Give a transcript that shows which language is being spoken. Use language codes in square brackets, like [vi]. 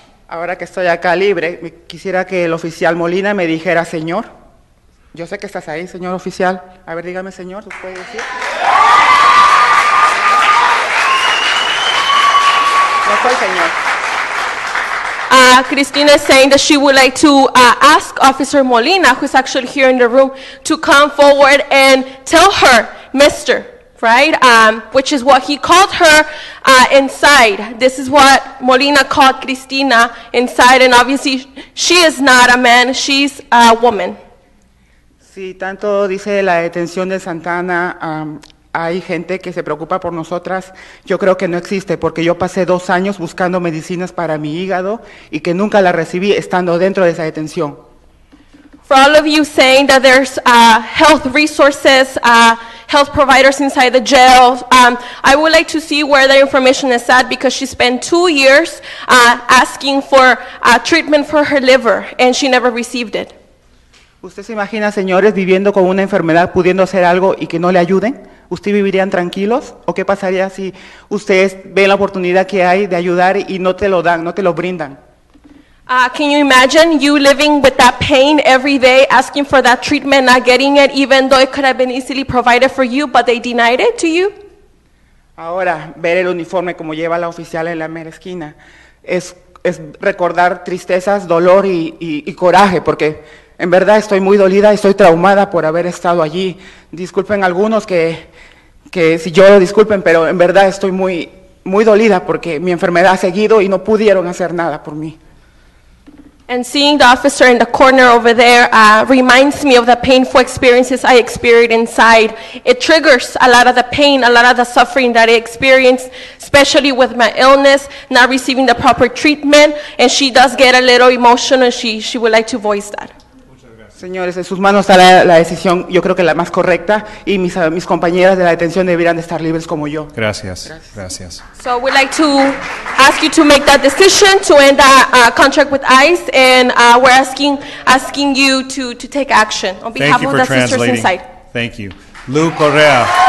[es] Ahora que estoy acá libre, quisiera que el oficial Molina me dijera, señor. Yo sé que estás ahí, señor oficial. A ver, dígame, señor, ¿tú puedes decir? No soy señor. [en] Cristina is saying that she would like to ask Officer Molina, who's actually here in the room, to come forward and tell her, Mr., right? Which is what he called her inside. This is what Molina called Cristina inside, and obviously she is not a man, she's a woman. [es] Sí, tanto dice la detención de Santana, hay gente que se preocupa por nosotras. Yo creo que no existe, porque yo pasé 2 años buscando medicinas para mi hígado y que nunca la recibí estando dentro de esa detención. [en] For all of you saying that there's health resources, health providers inside the jail, I would like to see where that information is at, because she spent 2 years asking for treatment for her liver and she never received it. [es] ¿Usted se imagina, señores, viviendo con una enfermedad, pudiendo hacer algo y que no le ayuden? ¿Usted vivirían tranquilos? ¿O qué pasaría si ustedes ven la oportunidad que hay de ayudar y no te lo dan, no te lo brindan? [en] Can you imagine you living with that pain every day, asking for that treatment, not getting it, even though it could have been easily provided for you, but they denied it to you? [es] Ahora, ver el uniforme como lleva la oficial en la mera esquina, es recordar tristezas, dolor y coraje, porque en verdad estoy muy dolida, estoy traumada por haber estado allí. Disculpen algunos que si yo lo disculpen, pero en verdad estoy muy, muy dolida porque mi enfermedad ha seguido y no pudieron hacer nada por mí. [en] And seeing the officer in the corner over there reminds me of the painful experiences I experienced inside. It triggers a lot of the pain, a lot of the suffering that I experienced, especially with my illness, not receiving the proper treatment, and she does get a little emotional. She would like to voice that. [es] Señores, en sus manos está la decisión, yo creo que la más correcta, y mis compañeras de la detención deberían estar libres como yo. Gracias, gracias. [en] So we'd like to ask you to make that decision to end that contract with ICE, and we're asking you to take action on behalf of the sisters inside. Thank you. Lou Correa.